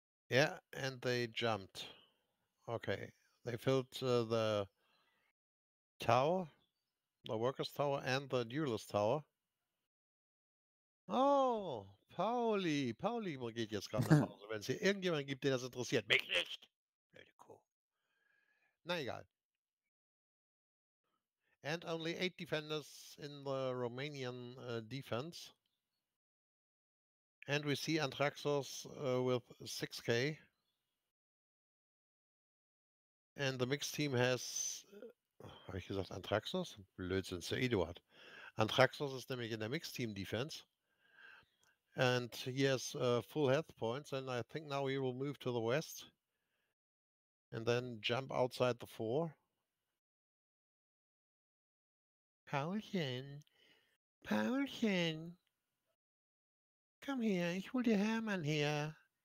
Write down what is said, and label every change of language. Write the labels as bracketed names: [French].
[English] Yeah, and they jumped. Okay, they filled the tower, the Workers' Tower, and the Duelist Tower. [German] Oh, Pauli. Pauli geht jetzt gerade nach Hause. Wenn es hier irgendjemanden gibt, der das interessiert, mich nicht. Blöde Kuh. Na egal. [English] And only 8 defenders in the Romanian defense. And we see Antraxos with 6k. And the mixed team has... [German] Habe ich gesagt Antraxos? Blödsinn, Sir Eduard. Antraxos ist nämlich in der mixed team defense. [English] And he has full health points. And I think now he will move to the west. And then jump outside the four. [German] Paulchen, Paulchen, komm her, ich hol dir Hermann her.